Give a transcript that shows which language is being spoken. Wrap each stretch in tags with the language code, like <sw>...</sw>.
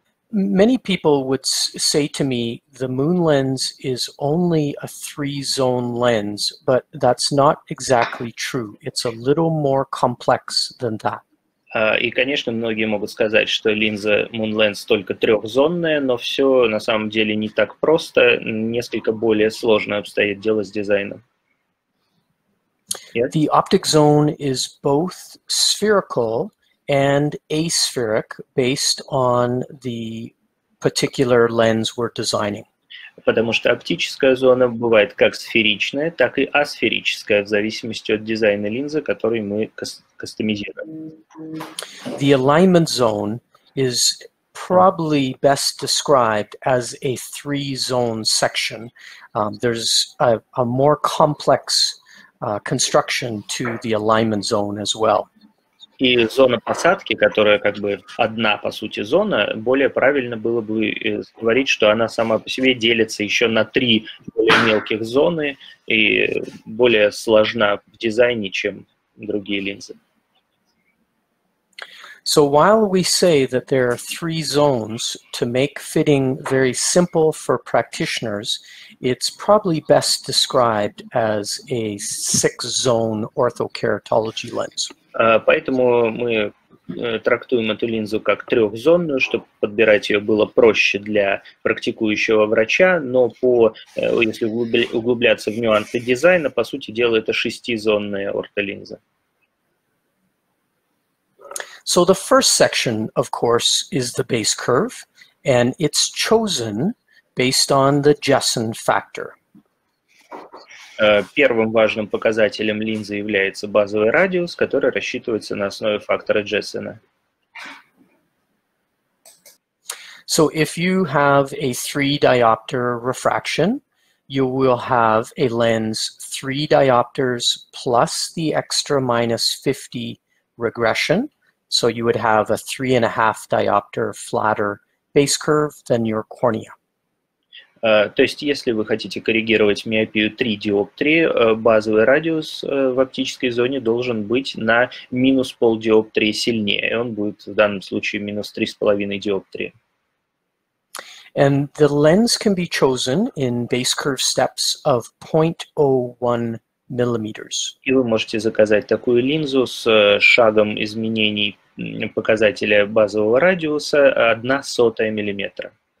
<en>Many people would say to me, the MoonLens is only a three-zone lens, but that's not exactly true. It's a little more complex than that.</en> <ru>И, конечно, многие могут сказать, что линза MoonLens только трехзонная, но все на самом деле не так просто. Несколько более сложно обстоит дело с дизайном.</ru> <en>Yes? The optic zone is both spherical and aspheric based on the particular lens we're designing.</en> <ru>Потому что оптическая зона бывает как сферичная, так и асферическая, в зависимости от дизайна линзы, который мы кастомизируем.</ru> <en>The alignment zone is probably best described as a three-zone section. There's a more complex construction to the alignment zone as well.</en> <ru>И зона посадки, которая как бы одна, по сути, зона, более правильно было бы говорить, что она сама по себе делится еще на три более мелких зоны и более сложна в дизайне, чем другие линзы.</ru> <en>So while we say that there are three zones to make fitting very simple for practitioners, it's probably best described as a six-zone orthokeratology lens.</en> <ru>Поэтому мы трактуем эту линзу как трехзонную, чтобы подбирать ее было проще для практикующего врача, но по, если углубляться в нюансы дизайна, по сути дела это шестизонная ортолинза.</ru> <en>So the first section, of course, is the base curve, and it's chosen based on the Jessen factor.</en> <ru>Первым важным показателем линзы является базовый радиус, который рассчитывается на основе фактора Джессена.</ru> <en>So if you have a 3-diopter refraction, you will have a lens 3 diopters plus the extra minus 50 regression. So you would have a 3.5-diopter flatter base curve than your cornea.</en> <ru>То есть, если вы хотите коррегировать миопию 3 диоптрии, базовый радиус в оптической зоне должен быть на минус полдиоптрии сильнее. Он будет в данном случае минус 3,5 диоптрии.</ru> <en>And the lens can be chosen in base curve steps of 0.01 millimeters.</en> <ru>И вы можете заказать такую линзу с шагом изменений показателя базового радиуса 0,01 миллиметра.</ru>